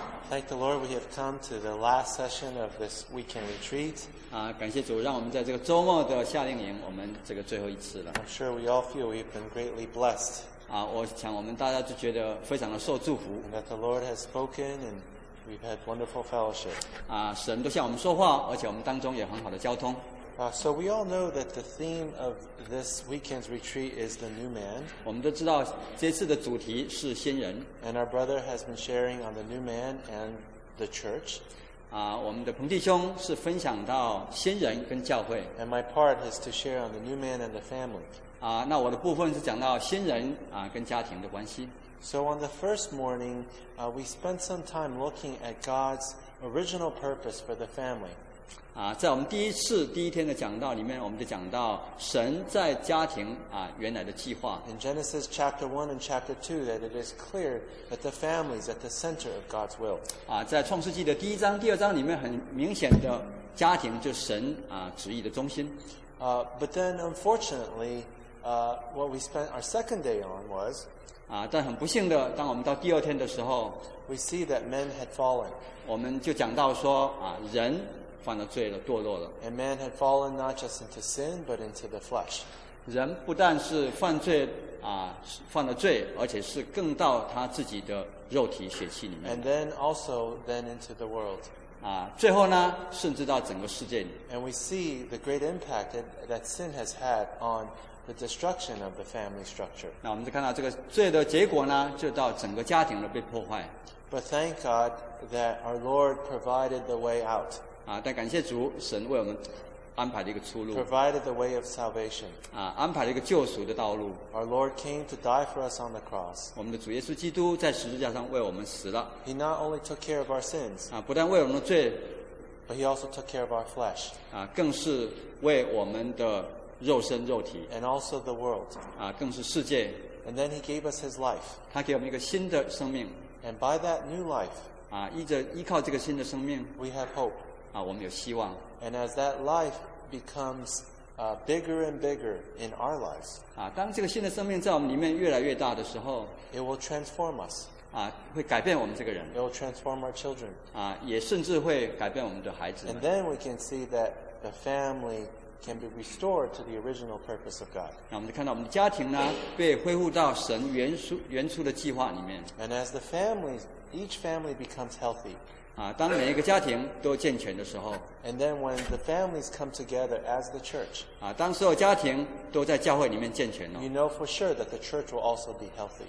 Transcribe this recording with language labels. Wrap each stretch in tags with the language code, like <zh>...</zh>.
<en>Thank the Lord, we have come to the last session of this weekend retreat.</en> <zh>啊，感谢主，让我们在这个周末的夏令营，我们这个最后一次了。</zh> <en>I'm sure we all feel we've been greatly blessed.</en> <zh>啊，我想我们大家就觉得非常的受祝福。</zh> <en>And that the Lord has spoken and we've had wonderful fellowship.</en> <zh>啊，神都向我们说话，而且我们当中也很好的交通。</zh> <en>So we all know that the theme of this weekend's retreat is the new man.</en> <zh>我们都知道这次的主题是新人。</zh> <en>And our brother has been sharing on the new man and the church.</en> <zh>啊，我们的彭弟兄是分享到新人跟教会。</zh> <en>And my part is to share on the new man and the family.</en> <zh>啊，那我的部分是讲到新人啊跟家庭的关系。</zh> <en>So on the first morning, we spent some time looking at God's original purpose for the family.</en> <zh>啊，在我们第一次第一天的讲道里面，我们就讲到神在家庭啊原来的计划。</zh> <en>In Genesis chapter 1 and chapter 2, that it is clear that the family is at the center of God's will.</en> <zh>啊，在创世纪的第一章、第二章里面，很明显的家庭就是神啊旨意的中心。</zh> <en>But then unfortunately, what we spent our second day on was.</en> <zh>啊，但很不幸的，当我们到第二天的时候</zh> <en>，we see that men had fallen.</en> <zh>我们就讲到说啊，人。犯了罪了，堕落了。</zh> <en>And man had fallen not just into sin, but into the flesh.</en> <zh>人不但是犯罪啊，犯了罪，而且是更到他自己的肉体血气里面。</zh> <en>And then also then into the world.</en> <zh>啊，最后呢，甚至到整个世界里。</zh> <en>And we see the great impact that sin has had on the destruction of the family structure.</en> <zh>那我们就看到这个罪的结果呢，就到整个家庭的被破坏。</zh> <en>But thank God that our Lord provided the way out.</en> <zh>啊，但感谢主，神为我们安排了一个出路。</zh> <en>Provided the way of salvation.</en> <zh>啊，安排了一个救赎的道路。</zh> <en>Our Lord came to die for us on the cross.</en> <zh>我们的主耶稣基督在十字架上为我们死了。</zh> <en>He not only took care of our sins.</en> <zh>啊，不但为我们的罪。</zh> <en>But he also took care of our flesh.</en> <zh>啊，更是为我们的肉身肉体。</zh> <en>And also the world.</en> <zh>啊，更是世界。</zh> <en>And then he gave us his life.</en> <zh>他给我们一个新的生命。</zh> <en>And by that new life.</en> <zh>啊，依靠这个新的生命。</zh> <en>We have hope.</en> <zh>啊，我们有希望。</zh> <en>And as that life becomes bigger and bigger in our lives,</en> <zh>啊，当这个新的生命在我们里面越来越大的时候</zh> <en>，it will transform us.</en> <zh>啊，会改变我们这个人。</zh> <en>It will transform our children.</en> <zh>啊，也甚至会改变我们的孩子。</zh> <en>And then we can see that the family can be restored to the original purpose of God.</en> <zh>那我们就看到我们的家庭呢，被恢复到神原初的计划里面。</zh> <en>And as the families, each family becomes healthy.</en> <zh>啊，当每一个家庭都健全的时候</zh> <en>，and then when the families come together as the church，</en> <zh>啊，当所有家庭都在教会里面健全了</zh> <en>，you know for sure that the church will also be healthy。</en>